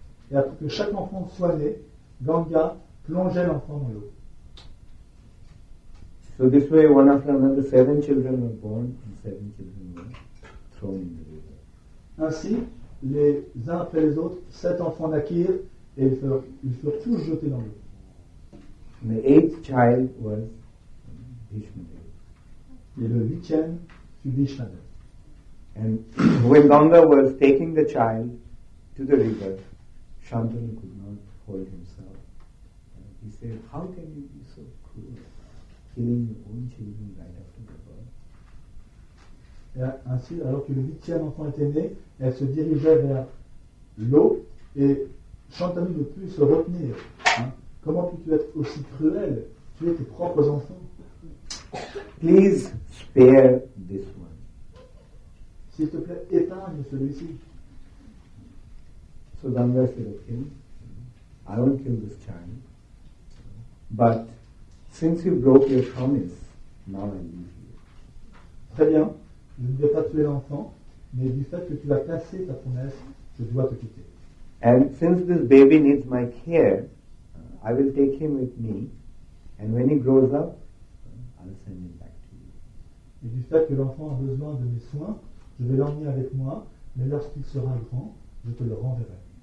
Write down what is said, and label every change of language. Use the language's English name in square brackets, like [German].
[French] Et après que chaque enfant soit né, Ganga plongeait l'enfant dans l'eau. [English] So this way, one after another, seven children were born, and seven children were thrown in the river. [French] Ainsi, les uns après les autres, sept enfants naquirent et ils furent tous jetés dans l'eau. [English] And the eighth child was Bhishmadeva. [French] Et le huitième fut Bhishmadeva. [English] And when Ganga was taking the child to the river, Shantanu could not hold himself. And he said, "How can you be so cruel? Killing your own children right after the birth." [French] Et ainsi, alors que le huitième enfant était né, elle se dirigeait vers l'eau et Shantanu ne put se retenir. Hein? Comment puis-tu être aussi cruel? Tu es tes propres enfants. [English] Please spare this one. [French] S'il te plaît, épargne celui-ci. [English] So Ganga said, "Okay, I won't kill this child, but since you broke your promise, now I leave you." [French] Très bien, je ne vais pas tuer l'enfant, mais du fait que tu as cassé ta promesse, je dois te quitter. [English] And since this baby needs my care, I will take him with me, and when he grows up, I'll send him back to you. [French] Et du fait que l'enfant a besoin de mes soins, je vais l'emmener avec moi, mais lorsqu'il sera grand, je te le renverrai.